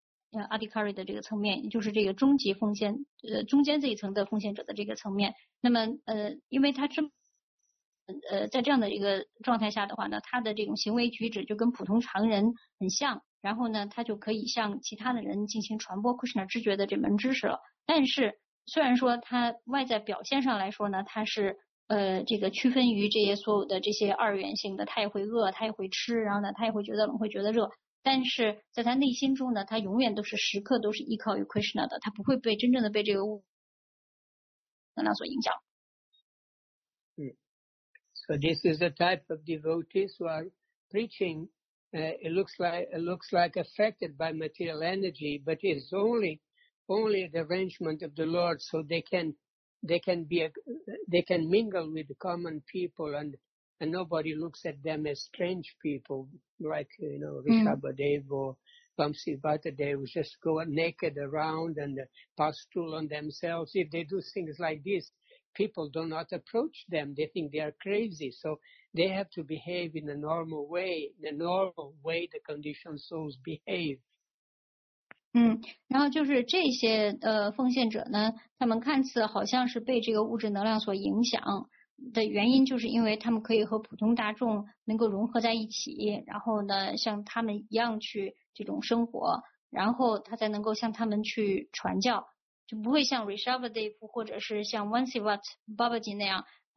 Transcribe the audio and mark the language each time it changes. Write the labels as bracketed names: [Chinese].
[Chinese] Adhikari 的这个层面，就是这个中级奉献，中间这一层的奉献者的这个层面。那么，因为他这么，在这样的一个状态下的话呢，他的这种行为举止就跟普通常人很像，然后呢，他就可以向其他的人进行传播 Krishna 知觉的这门知识了。但是，虽然说他外在表现上来说呢，他是这个区分于这些所有的这些二元性的，他也会饿，他也会吃，然后呢，他也会觉得冷，会觉得热，但是在他内心中呢，他永远都是时刻都是依靠于 Krishna 的，他不会被真正的被这个物能量所影响。 [English] So this is the type of devotees who are preaching. It looks like affected by material energy, but it's only the arrangement of the Lord, so they can mingle with common people, and nobody looks at them as strange people, like, you know, Rishabhadev or Vamsi Vatadev, just go naked around and pass stool on themselves. If they do things like this, people do not approach them. They think they are crazy. So they have to behave in a normal way, the normal way the conditioned souls behave. [Chinese] 嗯，然后就是这些奉献者呢，他们看似好像是被这个物质能量所影响的原因，就是因为他们可以和普通大众能够融合在一起，然后呢像他们一样去这种生活，然后他才能够向他们去传教，就不会像 Rishabhadev 或者是像 Vansivat Babaji 那样